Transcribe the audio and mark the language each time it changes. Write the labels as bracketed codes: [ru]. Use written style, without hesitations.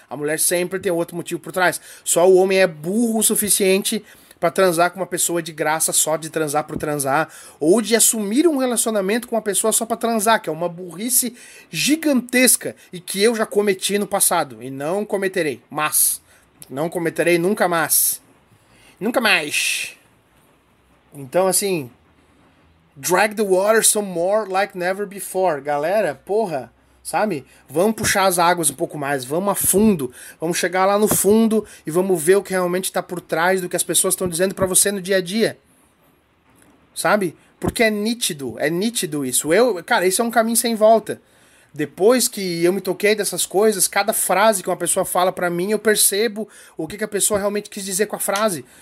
[pt] A mulher sempre tem outro motivo por trás. Só o homem é burro o suficiente pra transar com uma pessoa de graça, só de transar por transar, ou de assumir um relacionamento com uma pessoa só pra transar, que é uma burrice gigantesca e que eu já cometi no passado e não cometerei, mas não cometerei nunca mais. Nunca mais. Então, assim, [en] drag the water some more like never before. [pt] Galera, porra, sabe? Vamos puxar as águas um pouco mais, vamos a fundo, vamos chegar lá no fundo e vamos ver o que realmente está por trás do que as pessoas estão dizendo para você no dia a dia. Sabe? Porque é nítido isso. Cara, isso é um caminho sem volta. Depois que eu me toquei dessas coisas, cada frase que uma pessoa fala para mim, eu percebo o que que a pessoa realmente quis dizer com a frase.